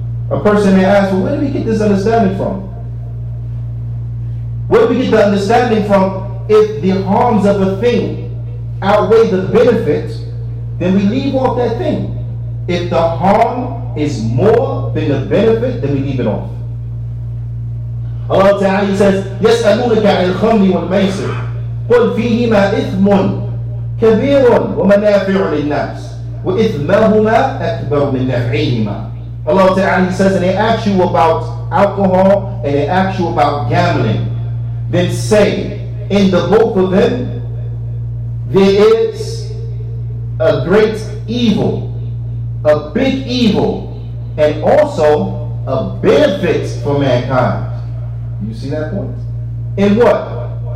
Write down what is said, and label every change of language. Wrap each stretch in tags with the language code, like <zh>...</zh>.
<en>A person may ask, well, where do we get this understanding from? Where do we get the understanding from? If the harms of a thing outweigh the benefit, then we leave off that thing. If the harm is more than the benefit, then we leave it off. Allah Ta'ala says,</en> <ar>يَسْأَلُونَكَ عَنِ الْخَمْرِ وَالْمَيْسِرِ قُلْ فِيهِمَا إِثْمٌ كَبِيرٌ وَمَنَافِعٌ لِلنَّاسِ وَإِثْمَهُمَا أَكْبَرُ مِنْ نَفْعِهِمَا.</ar> <en>Allah Ta'ala says, and they ask you about alcohol, and they ask you about gambling. Then say, in the both of them, there is a great evil, a big evil, and also a benefit for mankind. You see that point? In what?</en>